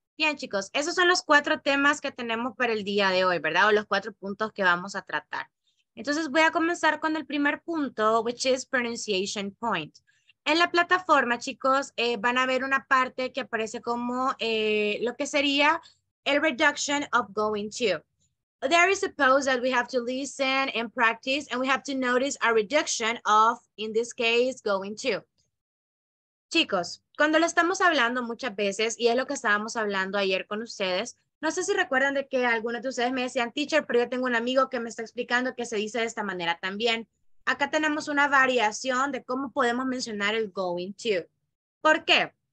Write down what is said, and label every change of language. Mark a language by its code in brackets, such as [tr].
[es] Bien, chicos, esos son los cuatro temas que tenemos para el día de hoy, ¿verdad? O los cuatro puntos que vamos a tratar. Entonces voy a comenzar con el primer punto, [en] which is pronunciation point. [es] En la plataforma, chicos, van a ver una parte que aparece como lo que sería... [en] A reduction of going to. There is a pose that we have to listen and practice, and we have to notice a reduction of, in this case, going to. [es] Chicos, cuando lo estamos hablando muchas veces, y es lo que estábamos hablando ayer con ustedes, no sé si recuerdan de que algunos de ustedes me decían, teacher, pero yo tengo un amigo que me está explicando que se dice de esta manera también. Acá tenemos una variación de cómo podemos mencionar el going to. ¿Por qué?